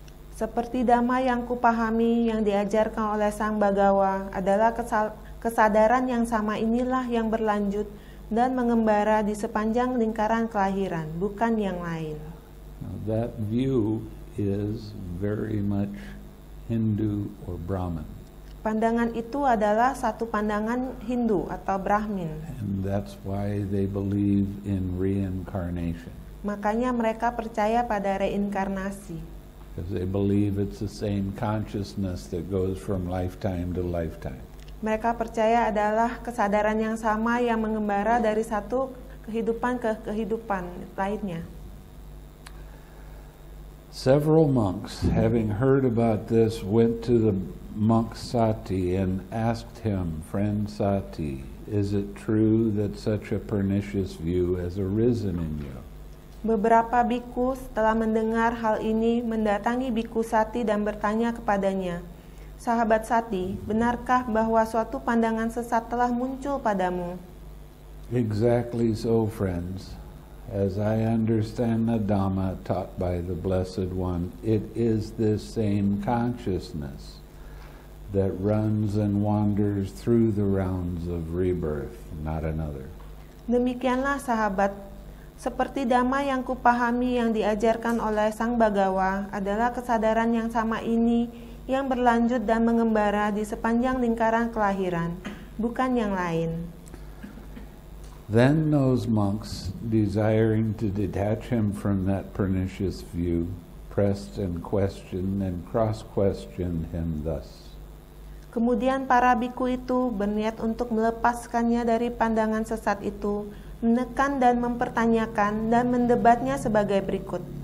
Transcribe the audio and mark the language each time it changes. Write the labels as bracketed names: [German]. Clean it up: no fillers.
[Indonesian] Seperti Dhamma yang kupahami yang diajarkan oleh Sang Bhagava adalah kesadaran yang sama inilah yang berlanjut dan mengembara di sepanjang lingkaran kelahiran, bukan yang lain. [English] Now that view is very much Hindu or Brahmin. [Indonesian] Pandangan itu adalah satu pandangan Hindu atau Brahmin. [English] And that's why they believe in reincarnation. [Indonesian] Makanya mereka percaya pada reinkarnasi. [English] Because they believe it's the same consciousness that goes from lifetime to lifetime. [Indonesian] Mereka percaya adalah kesadaran yang sama yang mengembara dari satu kehidupan ke kehidupan lainnya. [English] Several monks, having heard about this, went to the monk Sati and asked him, "Friend Sati, is it true that such a pernicious view has arisen in you?" [Indonesian] Beberapa biku setelah mendengar hal ini mendatangi biku Sati dan bertanya kepadanya, "Sahabat Sati, benarkah bahwa suatu pandangan sesat telah muncul padamu?" [English] "Exactly so, friends. As I understand the Dhamma taught by the Blessed One, it is this same consciousness that runs and wanders through the rounds of rebirth, not another." [Indonesian] Demikianlah, sahabat. Seperti Dhamma yang kupahami yang diajarkan oleh Sang Bhagava adalah kesadaran yang sama ini yang berlanjut dan mengembara di sepanjang lingkaran kelahiran, bukan yang lain. [English] Then those monks, desiring to detach him from that pernicious view, pressed and questioned and cross-questioned him thus. [Indonesian] Kemudian para biku itu berniat untuk melepaskannya dari pandangan sesat itu, menekan dan mempertanyakan dan mendebatnya sebagai berikut.